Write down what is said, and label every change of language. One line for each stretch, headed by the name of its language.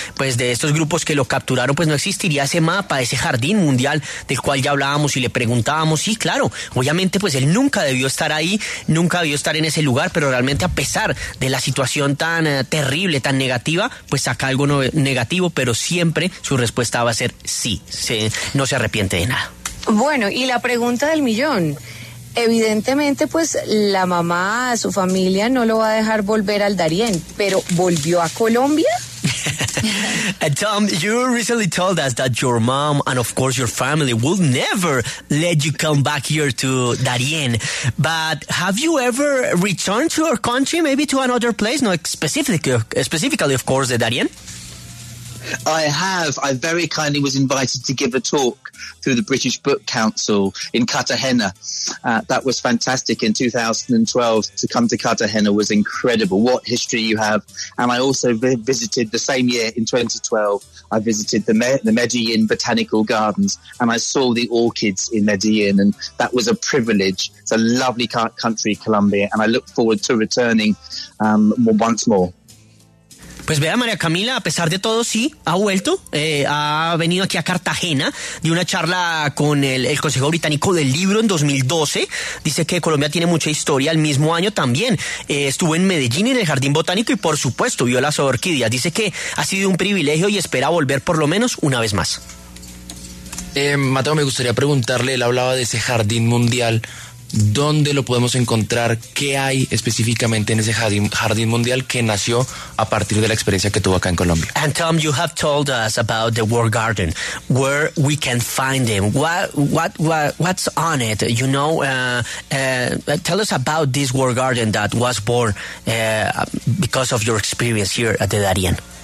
Spanish: pues de estos grupos que lo capturaron, pues no existiría ese mapa, ese jardín mundial del cual ya hablábamos y le preguntábamos, sí, claro, obviamente, pues él nunca debió estar ahí, nunca debió estar en ese lugar, pero realmente a pesar de la situación tan terrible, tan negativa, pues saca algo negativo, pero siempre su respuesta va a ser sí, no se arrepiente de nada. Bueno, y la pregunta del millón, evidentemente, pues la mamá, su familia no lo va a dejar volver al Darién, pero ¿volvió a Colombia?
English: Tom, you recently told us that your mom and of course your family will never let you come back here to Darién. But have you ever returned to your country, maybe to another place? No, specifically, of course, the Darién. I have. I very kindly was invited to give a talk through the British Book Council in Cartagena. That was fantastic in 2012. To come to Cartagena was incredible. What history you have. And I also visited the same year in 2012. I visited the Medellin Botanical Gardens and I saw the orchids in Medellin. And that was a privilege. It's a lovely country, Colombia. And I look forward to returning once more.
Spanish: Pues vea, María Camila, a pesar de todo, sí, ha vuelto, ha venido aquí a Cartagena, dio una charla con el Consejo Británico del Libro en 2012, dice que Colombia tiene mucha historia, el mismo año también estuvo en Medellín en el Jardín Botánico y por supuesto vio las orquídeas, dice que ha sido un privilegio y espera volver por lo menos una vez más. Mateo, me gustaría preguntarle, él hablaba de ese Jardín Mundial, ¿dónde lo podemos encontrar? ¿Qué hay específicamente en ese jardín mundial que nació a partir de la experiencia que tuvo acá en Colombia?
English: And Tom, you have told us about the World Garden, where we can find him. What's on it? You know, tell us about this World Garden that was born because of your experience here at the Darién.